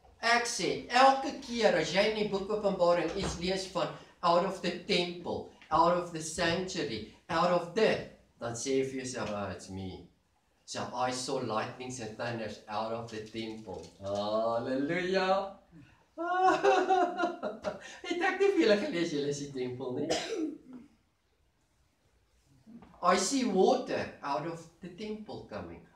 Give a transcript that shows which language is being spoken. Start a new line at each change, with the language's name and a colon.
Afrikaans: Ek sê, elke keer as jy in die boek Openbaring iets lees van
English: out of the temple, out of the
Afrikaans: sanctuary, out of the, dan sê jy vir jouself,
English: oh, it's me. So I saw lightnings and thunders out of the temple. Halleluja!
Afrikaans: Het ek nie vir julle gelees, julle is die tempel nie.
English: I see water out of the temple coming.